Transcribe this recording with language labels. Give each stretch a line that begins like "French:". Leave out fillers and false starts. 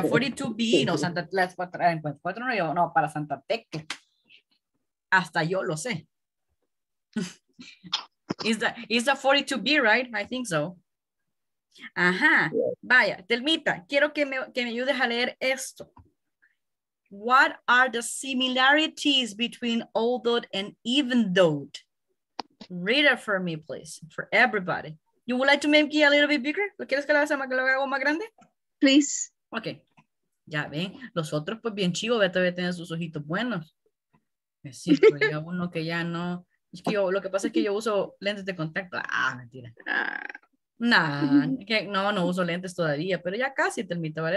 Spanish: 42B, no, Santa Tecla es 44, no, para Santa Tecla. Hasta yo lo sé.
English: Is the 42B, right? I think so. Ajá, yeah.
Spanish: Vaya, Telmita, quiero que me ayudes a leer esto.
English: What are the similarities between although and even though? Read it for me, please, for everybody. You would like to make it a little bit bigger?
Spanish: ¿Lo quieres que lo haga más grande?
English: Please. Okay.
Spanish: Ya ven, los otros pues bien chivos, ya todavía tienen sus ojitos buenos. Sí, pero ya uno que ya no. Es que yo, lo que pasa es que yo uso lentes de contacto. Ah, mentira. Nah, que no, no uso lentes todavía, pero ya casi termino, ¿vale?